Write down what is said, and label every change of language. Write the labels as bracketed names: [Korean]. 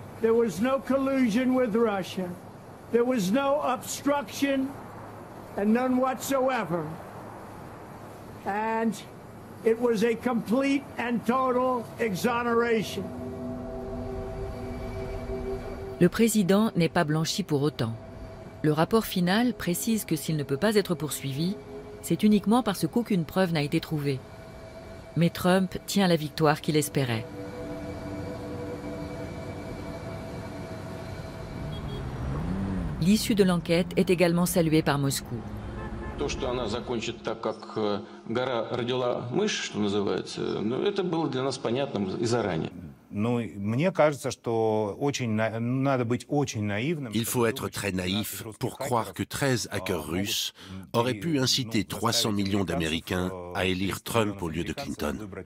[English] There was no collusion with Russia. There was no obstruction and none whatsoever. And it was a complete and total exoneration. [French] Le président n'est pas blanchi pour autant. Le rapport final précise que s'il ne peut pas être poursuivi, c'est uniquement parce qu'aucune preuve n'a été trouvée. mais Trump tient la victoire qu'il espérait. L'issue de l'enquête est également saluée par Moscou. [Russian] То, что она закончит так, как гора родила мышь, что называется, ну, это было для нас понятно и заранее. Ну, мне кажется, что очень надо быть очень наивным. [French] Il faut être très naïf pour croire que 13 hackers russes auraient pu inciter 300 millions d'Américains à élire Trump au lieu de Clinton.